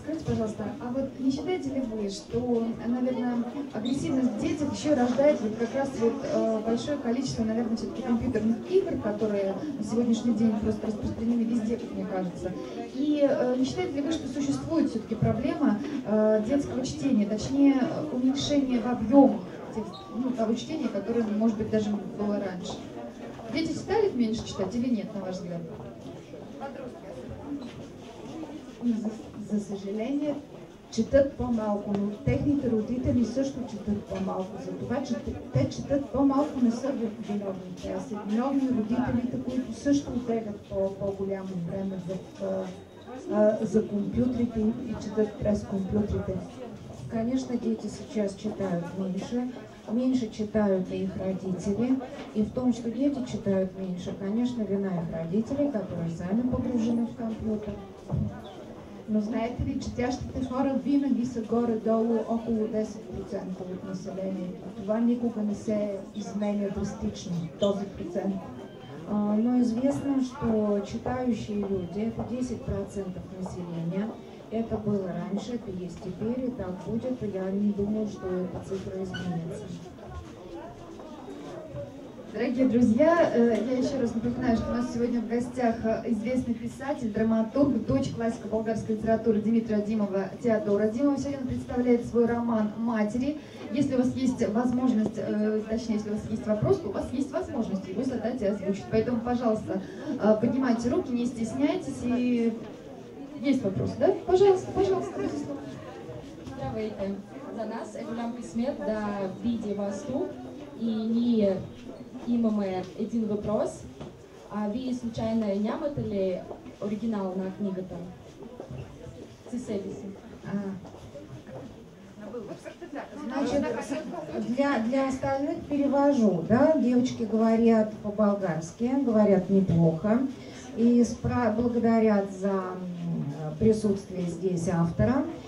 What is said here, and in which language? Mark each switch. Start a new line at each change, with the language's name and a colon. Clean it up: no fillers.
Russian: скажите, пожалуйста, а вот не считаете ли вы, что, наверное, агрессивность в детях еще рождает вот как раз вот большое количество, наверное, все-таки компьютерных игр, которые на сегодняшний день просто распространены везде, как мне кажется. И не считаете ли вы, что существует все-таки проблема детского чтения, точнее, уменьшение в объемах того чтения, которое, может быть, даже было раньше? Дети стали меньше читать или нет, на ваш взгляд?
Bulgarian: За съжаление, четат по-малко, но техните родители също четат по-малко. Затова, че те четат по-малко, не са виновните, а са виновни родителите, които също отделят по-голямо време за компютрите и четат през компютрите.
Russian: Конечно, дети сейчас читают меньше. Меньше читают и их родители. И в том, что дети читают меньше, конечно, вина их родителей, которые сами погружены в компьютер.
Bulgarian: Но знаете ли, четящите хора винаги са горе-долу около 10% от населението. Това никога не се изменя драстично, този процент.
Russian: Но известно, что читающие люди – это 10% населения. Это было раньше, это есть теперь, и так будет. Я не думаю, что эта цифра изменится. Дорогие друзья, я еще раз напоминаю, что у нас сегодня в гостях известный писатель, драматург, дочь классика болгарской литературы Дмитрия Димова, Теодора Димова. Сегодня он представляет свой роман «Матери». Если у вас есть возможность, точнее, если у вас есть вопрос, то у вас есть возможность его задать и озвучить. Поэтому, пожалуйста, поднимайте руки, не стесняйтесь. И есть вопрос, да? Пожалуйста, пожалуйста. Здравствуйте. За нас Гулям Письмет, да, Види Васту и Ние.
Bulgarian: Имаме един въпрос. А вие случайно нямате ли оригинал на книгата? Със себе си.
Russian: Значит, для остальных перевожу. Да? Девочки говорят по-болгарски, говорят неплохо. И благодарят за присутствие здесь автора.